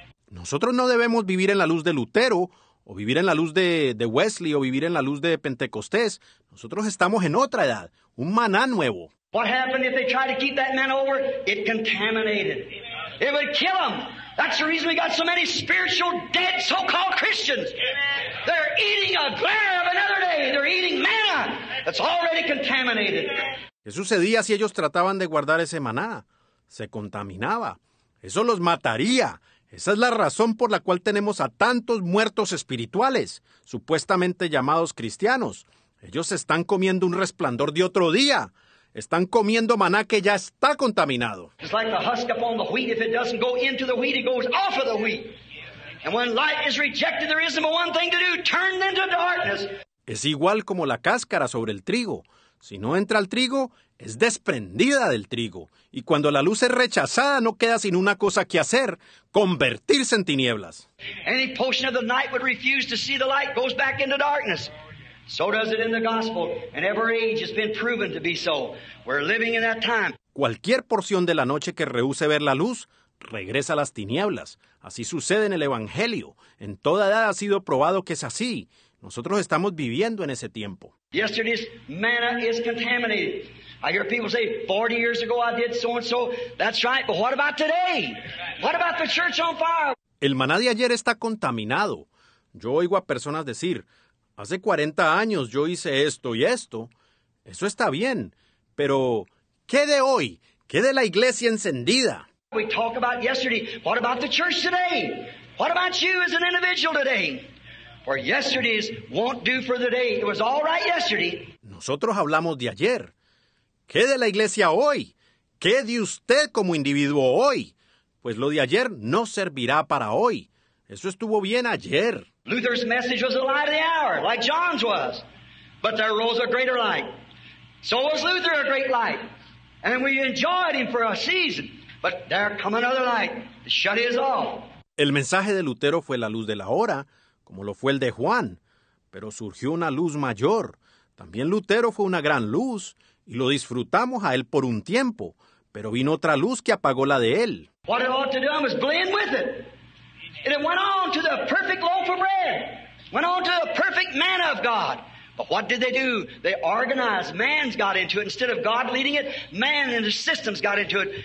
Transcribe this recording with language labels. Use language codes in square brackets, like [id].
[es] Nosotros no debemos vivir en la luz de Lutero, o vivir en la luz de Wesley, o vivir en la luz de Pentecostés. Nosotros estamos en otra edad, un maná nuevo. [en] What happened if they tried to keep that manna over? It contaminated. It would kill them. That's the reason we got so many spiritual dead so-called Christians. Amen. They're eating a glare of another day. They're eating manna that's already contaminated. [es] ¿Qué sucedía si ellos trataban de guardar ese maná? Se contaminaba. Eso los mataría. Esa es la razón por la cual tenemos a tantos muertos espirituales, supuestamente llamados cristianos. Ellos están comiendo un resplandor de otro día. Están comiendo maná que ya está contaminado. [en] It's like the husk upon the wheat. If it doesn't go into the wheat, it goes off of the wheat. And when light is rejected, there isn't but one thing to do, turn into darkness. [es] Es igual como la cáscara sobre el trigo. Si no entra al trigo, es desprendida del trigo. Y cuando la luz es rechazada, no queda sin una cosa que hacer, convertirse en tinieblas. [en] Any portion of the night would refuse to see the light goes back into darkness. So does it in the gospel, and every age has been proven to be so. We're living in that time. [es] Cualquier porción de la noche que rehúse ver la luz, regresa a las tinieblas. Así sucede en el Evangelio. En toda edad ha sido probado que es así. Nosotros estamos viviendo en ese tiempo. [en] Yesterday's manna is contaminated. I hear people say, 40 years ago I did so and so. That's right, but what about today? What about the church on fire? [es] El maná de ayer está contaminado. Yo oigo a personas decir, hace 40 años yo hice esto y esto. Eso está bien, pero ¿qué de hoy? ¿Qué de la iglesia encendida? [en] We talk about yesterday. What about the church today? What about you as an individual today? For yesterday's won't do for the day. It was all right yesterday. [es] Nosotros hablamos de ayer. ¿Qué de la iglesia hoy? ¿Qué de usted como individuo hoy? pues lo de ayer no servirá para hoy. Eso estuvo bien ayer. [en] Luther's message was the light of the hour, like John's was. But there rose a greater light. So was Luther a great light. And we enjoyed him for a season. But there come another light to shut his off. [es] El mensaje de Lutero fue la luz de la hora, como lo fue el de Juan. Pero surgió una luz mayor. También Lutero fue una gran luz, y lo disfrutamos a él por un tiempo. Pero vino otra luz que apagó la de él. [en] What it ought to do, I must blend with it. And it went on to the perfect loaf of bread. Went on to the perfect manna of God. But what did they do? They organized. Man's got into it. Instead of God leading it, man and the systems got into it.